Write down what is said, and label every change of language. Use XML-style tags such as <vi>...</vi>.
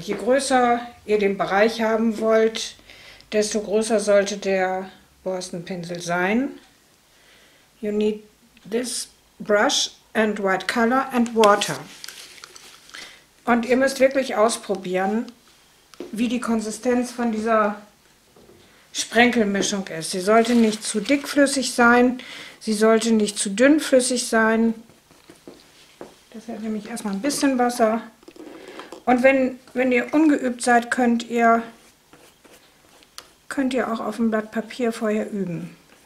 <de>Je größer ihr den Bereich haben wollt, desto größer sollte der Borstenpinsel sein.</de> <en>You need this brush and white color and water.</en> <de>Und ihr müsst wirklich ausprobieren, wie die Konsistenz von dieser Sprenkelmischung ist. Sie sollte nicht zu dickflüssig sein, sie sollte nicht zu dünnflüssig sein. Deshalb nehme ich erstmal ein bisschen Wasser. Und wenn ihr ungeübt seid, könnt ihr auch auf dem Blatt Papier vorher üben.</de>